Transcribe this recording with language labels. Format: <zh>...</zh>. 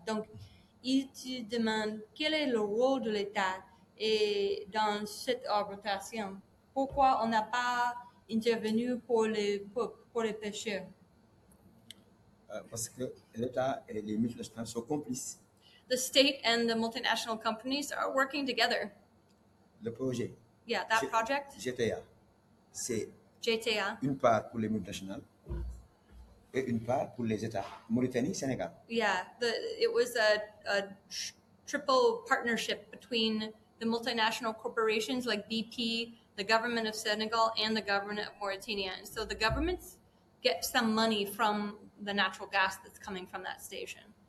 <fr>Donc, il te demande quel est le rôle de l'État et dans cette arbitration. Pourquoi on n'a pas intervenu pour les pêcheurs? Parce que l'État et les multinationales sont complices.</fr> <en>The state and the multinational companies are working together.</en> <fr>Le projet.</fr> <en>Yeah, that project.</en> <fr>GTA. C'est GTA. Une part pour les multinationales. Et une part pour les États, Mauritanie, Sénégal.</fr> <en>Yeah, it was a triple partnership between the multinational corporations like BP, the government of Senegal, and the government of Mauritania. And so the governments get some money from the natural gas that's coming from that station.</en>